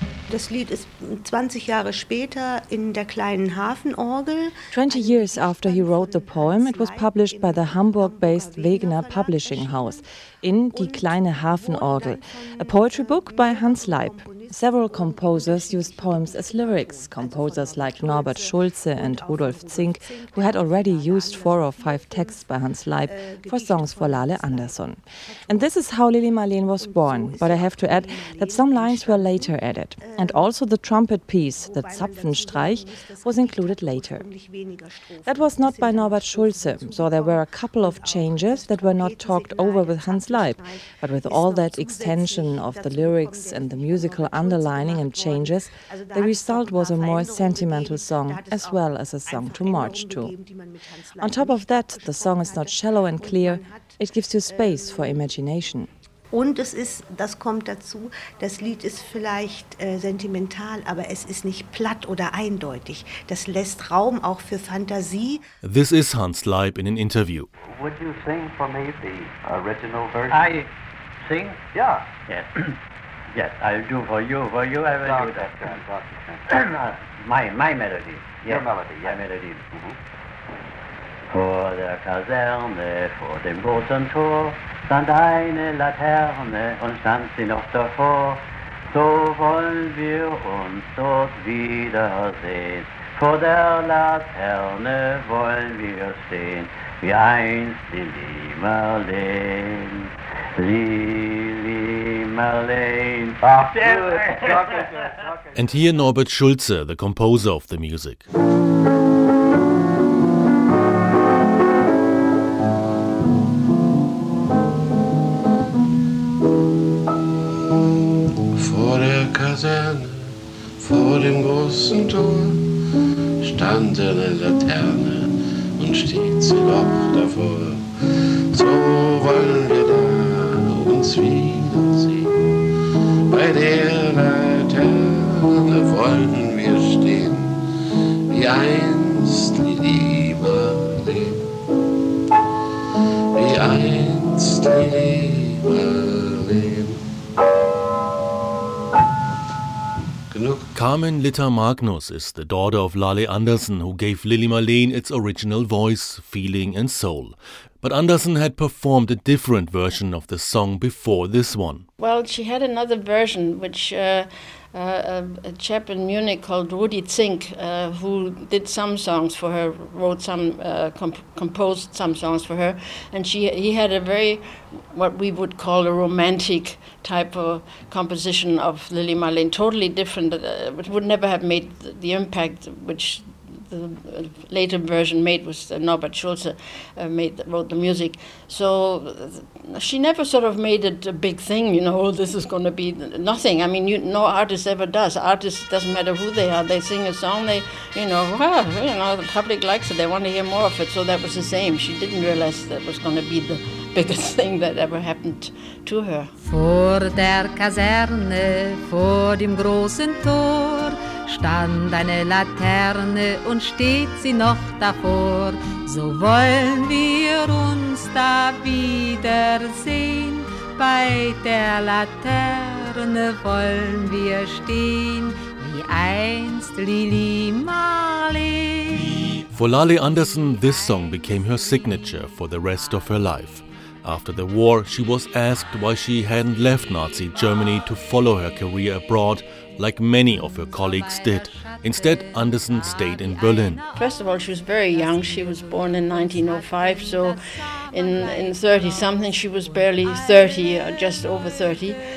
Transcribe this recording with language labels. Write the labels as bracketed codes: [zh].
[de] Das Lied ist 20 Jahre später in der kleinen Hafenorgel. [en] 20 years after he wrote the poem, it was published by the Hamburg-based Wegener Publishing House in Die kleine Hafenorgel, a poetry book by Hans Leib. Several composers used poems as lyrics, composers like Norbert Schulze and Rudolf Zink, who had already used 4 or 5 texts by Hans Leib for songs for Lale Andersson. And this is how Lili Marleen was born, but I have to add that some lines were later added. And also the trumpet piece, the Zapfenstreich, was included later. That was not by Norbert Schulze, so there were a couple of changes that were not talked over with Hans Leib, but with all that extension of the lyrics and the musical underlining and changes, the result was a more sentimental song as well as a song to march to. On top of that, the song is not shallow and clear, it gives you space for imagination. [de] Und es ist, das kommt dazu, das Lied ist vielleicht sentimental, aber es ist nicht platt oder eindeutig. Das lässt Raum auch für Fantasie. [en] This is Hans Leib in an interview. Would you sing for me the original version? I sing? Yeah. Yes, I'll do for you, I will do that. My melody. Yes. Your melody, yes. My melody. Mm-hmm. [de] Vor der Kaserne, vor dem großen Tor, stand eine Laterne und stand sie noch davor. So wollen wir uns dort wiedersehen. Vor der Laterne wollen wir stehen, wie einst in Limmerlin. [en] And here Norbert Schulze, the composer of the music. [de] Vor der Kaserne, vor dem großen Tor, stand eine Laterne und steht sie noch davor. So wollen wir da uns wiedersehen. Bei der Laterne wollen wir stehen, wie einst die Liebe leben, wie einst die Liebe leben. Genug. [en] Carmen Litta Magnus is the daughter of Lalle Andersen, who gave Lili Marleen its original voice, feeling and soul. But Andersen had performed a different version of the song before this one. Well, she had another version, which a chap in Munich called Rudi Zink, who did some songs for her, wrote some, composed some songs for her. And he had a very, what we would call a romantic type of composition of Lili Marleen, totally different, which would never have made the impact which the later version made was Norbert Schulze wrote the music. So she never sort of made it a big thing, you know, this is going to be nothing. I mean, no artist ever does. Artists, doesn't matter who they are, they sing a song, they, the public likes it, they want to hear more of it. So that was the same. She didn't realize that was going to be the biggest thing that ever happened to her. [de] Vor der Kaserne, vor dem großen Tor, stand eine Laterne und steht sie noch davor. So wollen wir uns da wiedersehen. Bei der Laterne wollen wir stehen, wie einst Lili Marleen. [en] For Lalle Andersen, this song became her signature for the rest of her life. After the war, she was asked why she hadn't left Nazi Germany to follow her career abroad, like many of her colleagues did. Instead, Andersen stayed in Berlin. First of all, she was very young. She was born in 1905, so in 30-something, she was barely 30, just over 30.